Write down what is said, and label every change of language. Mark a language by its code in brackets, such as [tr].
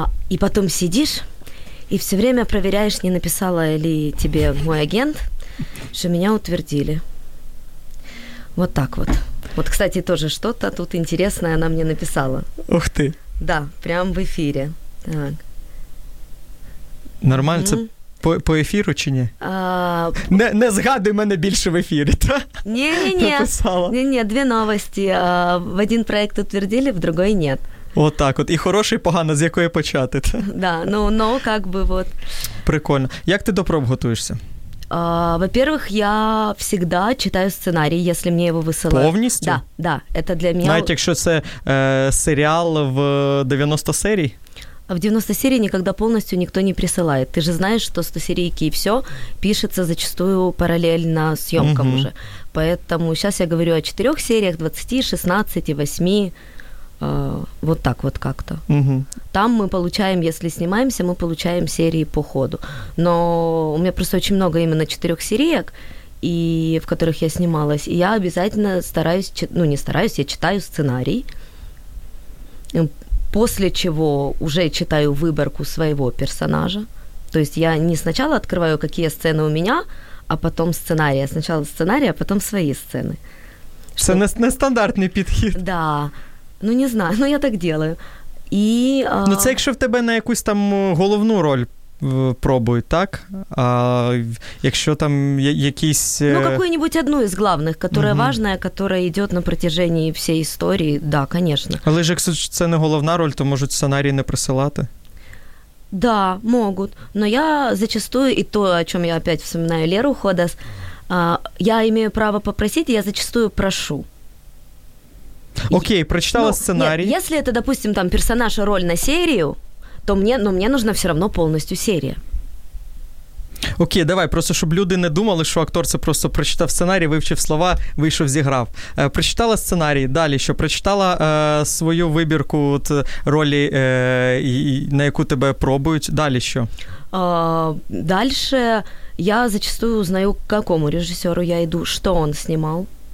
[ru] И потом сидишь, и все время проверяешь, не написала ли тебе мой агент, что меня утвердили. Вот так вот. Вот, кстати, тоже что-то тут интересное она мне написала. Ух ты. Да, прям в эфире. Так. [uk] Нормально, mm-hmm. По ефіру чи ні? Не згадуй мене більше в ефірі, так? Ні-ні-ні. Написала. Ні-ні, дві новості. В один проєкт утвердили, в другий – ні. От так от. І хороший, і погано, з якої почати, так? [ru] Да, ну, как би, вот. [uk] Прикольно. Як ти до проб готуєшся? [ru] Во-первых, я всегда читаю сценарий, если мне его высылают. [uk] Повністю? [ru] Да, да. Это для меня... [uk] Знаете, якщо це серіал в 90 серій? [ru] В 90 серий никогда полностью никто не присылает. Ты же знаешь, что 100 серийки и все пишется зачастую параллельно съемкам уже. Поэтому сейчас я говорю о 4 сериях, 20, 16, 8. Вот так вот как-то. Там мы получаем, если снимаемся, мы получаем серии по ходу. Но у меня просто очень много именно 4 сериек, и в которых я снималась. И я обязательно стараюсь, ну не стараюсь, я читаю сценарий. После чего уже читаю выборку своего персонажа. То есть я не сначала открываю, какие сцены у меня, а потом сценарий. Сначала сценарий, а потом свои сцены. Это нестандартный подход. Да. Ну, не знаю, но я так делаю. И, ну, это если в тебе на какую-то там головную роль пробують, так? [uk] А якщо там якісь... [ru] Ну, какую-нибудь одну из главных, которая важная, которая идет на протяжении всей истории, да, конечно. [uk] Але ж, якщо це не головна роль, то можуть сценарій не присилати? [ru] Да, могут. Но я зачастую, и то, о чем я опять вспоминаю Леру Ходас, я имею право попросить, я зачастую прошу. [uk] Окей, прочитала сценарій. [ru] Нет, если это, допустим, там персонаж, роль на серию, то мне, но мне нужна все равно полностью серия. [uk] Окей, давай, просто щоб люди не думали, що актор це просто прочитав сценарій, вивчив слова, вийшов, зіграв. Прочитала сценарій, далі що? Прочитала свою вибірку от, ролі, на яку тебе пробують, далі що? [ru] Дальше я зачастую узнаю, к какому режисеру [uk] я йду, що він знімав.